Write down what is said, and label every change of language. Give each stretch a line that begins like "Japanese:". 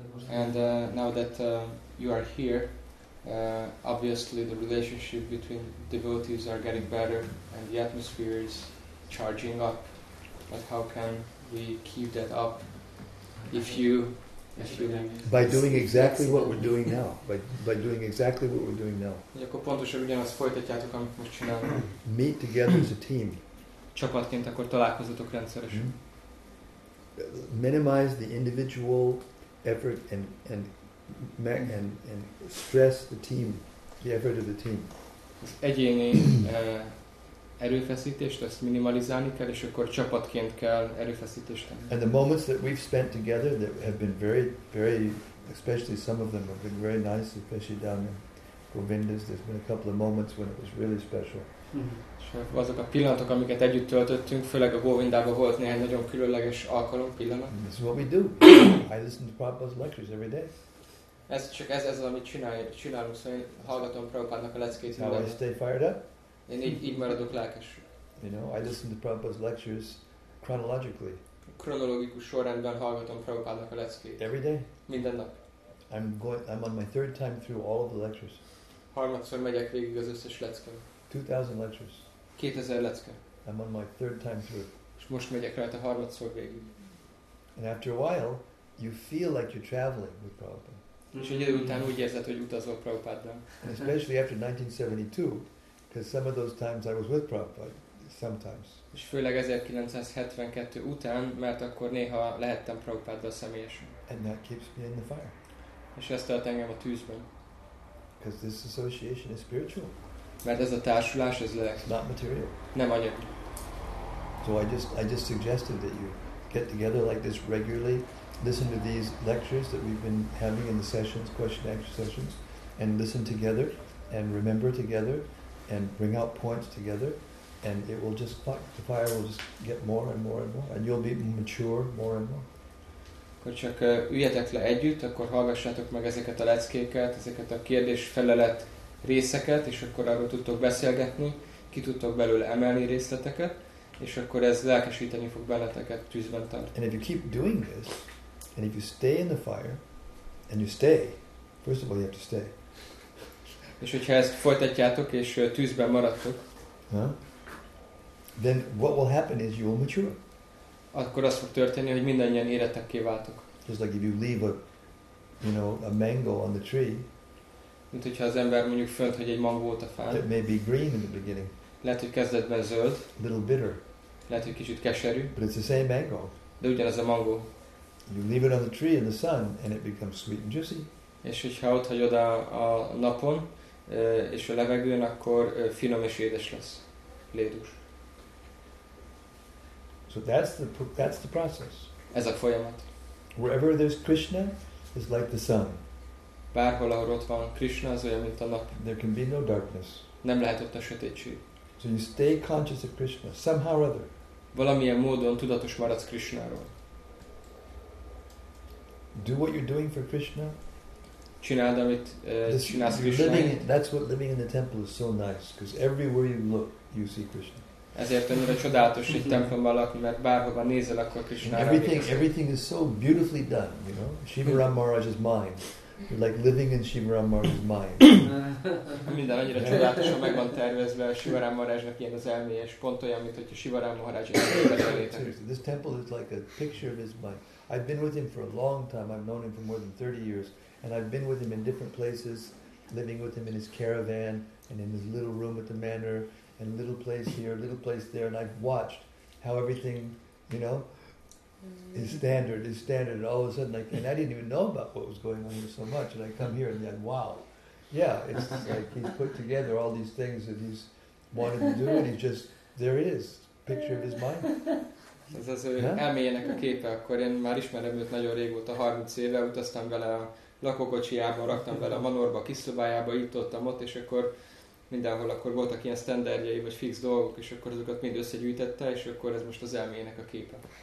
English: And now that you are here, obviously the relationship between devotees are getting better and the atmosphere is charging up. But how can we keep that up if you by doing exactly what we're doing now. By doing exactly what we're doing now.
Hungarian: Akkor pontosan ugyanazt folytatjátok, amit most csinálunk.
English: Meet together as a team.
Hungarian: Csapatként akkor találkozatok rendszeresen.
English: Minimize the individual effort and stress the team, the effort of the team.
Hungarian: Az egyéni erőfeszítést, ezt minimalizálni kell, és akkor csapatként kell erőfeszítést tenni.
English: And the moments that we've spent together that have been very, very, especially some of them have been very nice, especially down there. Govindas. There's been a couple of moments when it was really special. Mm-hmm.
Hungarian: Azok a pillanatok, amiket együtt töltöttünk, főleg a Govindában volt néhány nagyon különleges alkalom pillanat.
English: This is what we do. I listen to Prabhupada's lectures every day.
Hungarian: Ez csak ez az, amit csinálunk, szóval én hallgatom Prabhupádnak a leckét.
English: How I stay fired up?
Hungarian: Én így maradok lelkes.
English: You know, I listen to Prabhupada's lectures chronologically.
Hungarian: Kronológikus sorrendben hallgatom Prabhupádnak a leckét.
English: Every day?
Hungarian: Minden nap.
English: I'm on my third time through all of the lectures.
Hungarian: Harmadszor megyek végig az összes leckén.
English: 2000 lectures.
Hungarian: 2000 lecke.
English: I'm on my third time through.
Hungarian: És most megyek rá a harmadszor végig.
English: And after a while, you feel like you're traveling with Prabhupada.
Hungarian: És egy idő után úgy érzed, hogy utazol Prabhupáddal.
English: And especially after 1972, because some of those times I was with Prabhupada, sometimes.
Hungarian: És főleg 1972 után, mert akkor néha lehettem Prabhupáddal személyesen.
English: And that keeps me in the fire.
Hungarian: És ezt tart engem a tűzben.
English: Because this association is spiritual.
Hungarian: Mert ez a társulás, ez lelek.
English: Not material.
Hungarian: Nem anyagi.
English: So I just suggested that you get together like this regularly, listen to these lectures that we've been having in the sessions, question and answer sessions, and listen together, and remember together, and bring out points together, and it will just, the fire will just get more and more and more, and you'll be mature more and more.
Hungarian: Akkor csak üljetek le együtt, akkor hallgassátok meg ezeket a leckéket, ezeket a kérdés-felelet részeket, és akkor arról tudtok beszélgetni, ki tudtok belőle emelni részleteket, és akkor ez lelkesíteni fog benneteket, tűzben tart.
English: And if you keep doing this, and if you stay in the fire, and you stay, first of all you have to stay.
Hungarian: És hogyha ezt folytatjátok, és tűzben maradtok,
English: then what will happen is you will mature.
Hungarian: Akkor az fog történni, hogy mindannyian érettekké váltok.
English: Just like if you leave a mango on the tree,
Hungarian: mint hogyha az ember mondjuk fönt, hogy egy mangó volt a fán.
English: It may be green in the beginning.
Hungarian: Lehet, hogy kezdetben zöld.
English: A little bitter.
Hungarian: Lehet, hogy kicsit keserű.
English: But it's the same mango.
Hungarian: De ugyanaz a mangó.
English: You leave it on the tree in the sun, and it becomes sweet and juicy.
Hungarian: És hogyha ott hagyod a napon, és a levegőn, akkor finom és édes lesz. Lédús.
English: So that's the process.
Hungarian: Ez a folyamat.
English: Wherever there's Krishna, it's like the sun.
Hungarian: Bárhol, ahol ott van Krishna, az olyan, mint a nap.
English: There can be no darkness.
Hungarian: Nem lehet ott a sötétség.
English: So you stay conscious of Krishna, somehow or other.
Hungarian: Valamilyen módon tudatos maradsz Krishnáról.
English: Do what you're doing for Krishna.
Hungarian: Csináld, amit csinálsz Krishnáért.
English: That's what living in the temple is so nice, because everywhere you look, you see Krishna.
Hungarian: Ezért annyira csodálatos egy templomban lakni, mert bárhova nézel, akkor Krishnára.
English: Everything is so beautifully done, you know. Shivaram Maharaj's mind. You're like living in Shivaram Maharaj's mind.
Hungarian: Minden annyira csodálatosan meg van tervezve a Shivaram Maharajnak ilyen az elméje, és pont olyan, mint hogy a Shivaram Maharaj
English: This temple is like a picture of his mind. I've been with him for a long time. I've known him for more than 30 years. And I've been with him in different places, living with him in his caravan, and in his little room at the manor, and little place here, little place there. And I've watched how everything, you know, is standard, and all of a sudden, and I didn't even know about what was going on here so much, and I come here, and then, wow, yeah, it's like he's put together all these things that he's wanted to do, and he's just, there it is, picture of his mind.
Hungarian: Ez az ő elméjének a képe, akkor én már ismerem őt nagyon régóta, 30 éve, utaztam vele a lakókocsijába, raktam vele a manorba, a kis szobájába, jutottam ott, és akkor mindenhol akkor voltak ilyen standardjai, vagy fix dolgok, és akkor azokat mind összegyűjtette, és akkor ez most az elméjének a képe.